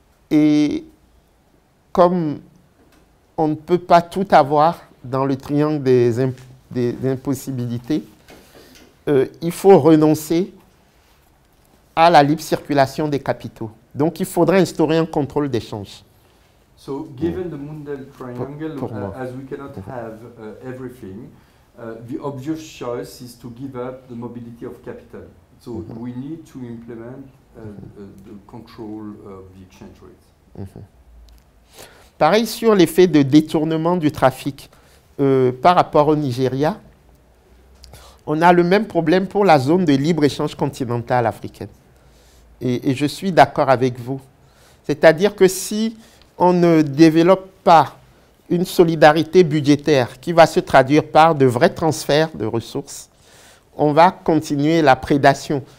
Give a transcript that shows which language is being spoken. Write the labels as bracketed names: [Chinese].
[French] Et comme on ne peut pas tout avoir dans le triangle des impossibilités, il faut renoncer à la libre circulation des capitaux. Donc, il faudrait instaurer un contrôle d'échange. [English] So, given the Mundell triangle, as we cannot have everything, the obvious choice is to give up the mobility of capital. So, we need to implement the control of the exchange rate. [French] Pareil sur l'effet de détournement du trafic par rapport au Nigeria. On a le même problème pour la zone de libre-échange continentale africaine. Et je suis d'accord avec vous. C'est-à-dire que si on ne développe pas une solidarité budgétaire qui va se traduire par de vrais transferts de ressources, on va continuer la prédation.